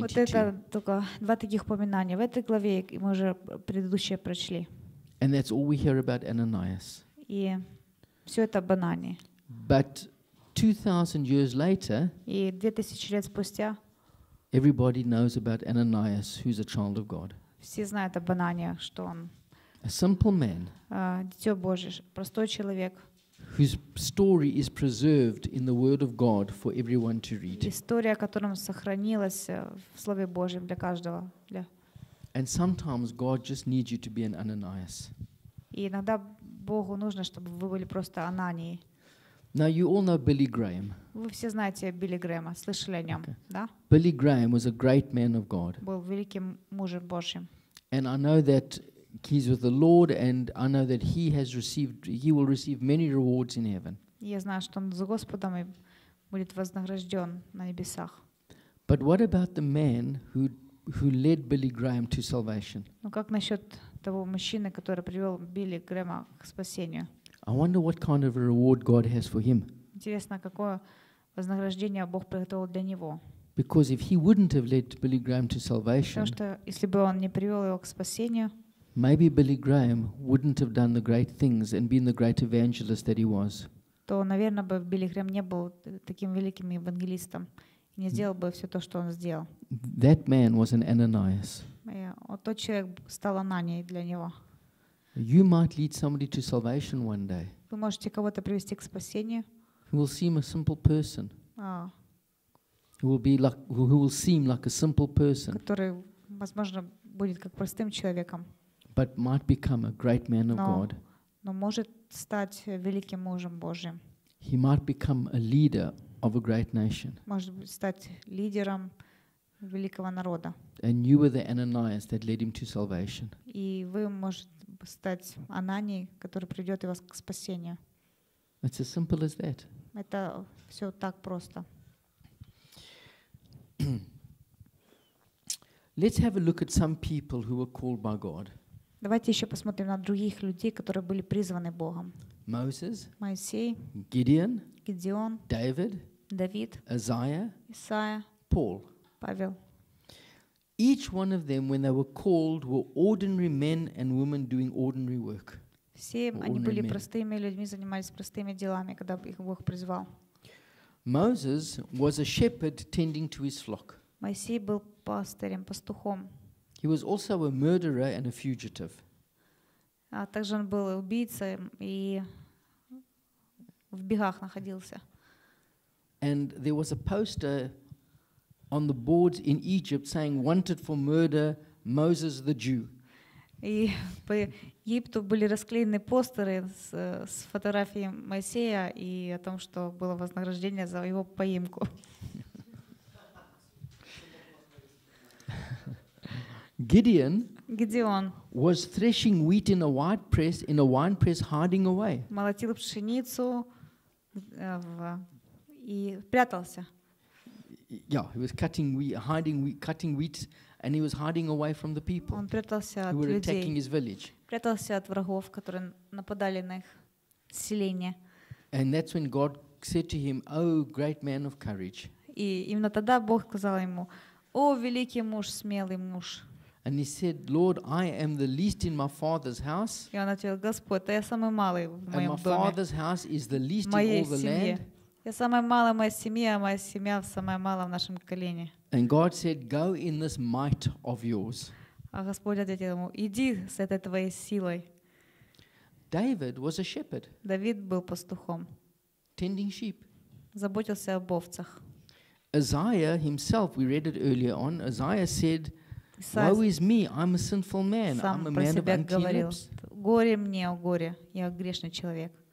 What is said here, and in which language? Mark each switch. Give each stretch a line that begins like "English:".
Russian: Вот это только два таких упоминания в этой главе, и мы уже предыдущие прочли.
English: And that's all we hear about Ananias.
Russian: И все это об Анании.
English: But 2,000 years later.
Russian: И 2,000 лет спустя.
English: Everybody knows about Ananias, who's a child of God.
Russian: Все знают об Анании, что он.
English: A simple man.
Russian: Дитя Божье, простой человек.
English: Whose story is preserved in the Word of God for everyone to read.
Russian: История, которая сохранилась в Слове Божьем для каждого.
English: And sometimes God just needs you to be an Ananias.
Russian: И иногда Богу нужно, чтобы вы были просто Ананией.
English: Now you all know Billy Graham.
Russian: Вы все знаете Билли Грэма, слышали о нем, да?
English: Billy Graham was a great man of God.
Russian: Был великим мужем Божьим.
English: And I know that he's with the Lord, and I know that he will receive many rewards in heaven.
Russian: Я знаю, что он с Господом и будет вознагражден на небесах.
English: But what about the man who led Billy Graham to salvation?
Russian: Ну как насчет того мужчины, который привел Билли Грэма к спасению?
English: I wonder what kind of a reward God has for him.
Russian: Интересно, какое вознаграждение Бог приготовил для него?
English: Because if he wouldn't have led Billy Graham to salvation,
Russian: потому что если бы он не привел его к спасению,
English: maybe Billy Graham wouldn't have done the great things and been the great evangelist that he was.
Russian: То, наверное, бы Билли Грэм не был таким великим евангелистом и не сделал бы все то, что он сделал.
English: That man was an Ananias.
Russian: Вот тот человек стал Ананией для него.
English: You might lead somebody to salvation one day.
Russian: Вы можете кого-то привести к спасению.
English: Who will seem a simple person. Who will seem like a simple person.
Russian: Который, возможно, будет как простым человеком.
English: But might become a great man of God.
Russian: Но может стать великим мужем Божьим.
English: He might become a leader of a great nation.
Russian: Может стать лидером великого народа.
English: And you were the Ananias that led him to salvation.
Russian: И вы можете стать Ананией, который приведет вас к спасению.
English: It's as simple as that.
Russian: Это все так просто.
English: Let's have a look at some people who were called by God.
Russian: Давайте еще посмотрим на других людей, которые были призваны Богом.
English: Moses,
Russian: Моисей,
English: Gideon,
Russian: Гедеон,
English: David,
Russian: Давид,
English: Isaiah,
Russian: Исаия,
English: Paul,
Russian: Павел.
English: Each one of them, when they were called, were ordinary men and women doing ordinary work.
Russian: Все они были простыми людьми, занимались простыми делами, когда их Бог призвал.
English: Moses was a shepherd tending to his flock.
Russian: Моисей был пастырем, пастухом.
English: He was also a murderer and a fugitive.
Russian: А также он был убийцей и в бегах находился.
English: And there was a poster on the boards in Egypt saying wanted for murder Moses the Jew.
Russian: И по Египту были расклеены постеры с фотографией Моисея и о том, что было вознаграждение за его поимку.
English: Gideon was threshing wheat in a wine press hiding away.
Russian: Молотил пшеницу и прятался.
English: Yeah, he was cutting wheat and he was hiding away from the people.
Russian: Он прятался от
English: Who were attacking his village.
Russian: Прятался от врагов, которые нападали на их селение.
English: And that's when God said to him, "Oh, great man of courage."
Russian: И именно тогда Бог сказал ему: "О, великий муж, смелый муж."
English: And he said, "Lord, I am the least in my father's house."
Russian: И он ответил: "Господь, я самый малый в моем доме."
English: And my father's house is the least in all the land.
Russian: Я самая малая в моей семье, а моя семья самая малая в нашем колене.
English: And God said, "Go in this might of yours."
Russian: А Господь ответил ему: "Иди с этой твоей силой."
English: David was a shepherd.
Russian: Давид был пастухом.
English: Tending sheep.
Russian: Заботился об овцах.
English: Isaiah himself, we read it earlier on. Isaiah said, "Woe is me, I'm a sinful man, I'm a man of unclean lips."
Russian: Горе мне, о горе, я грешный человек.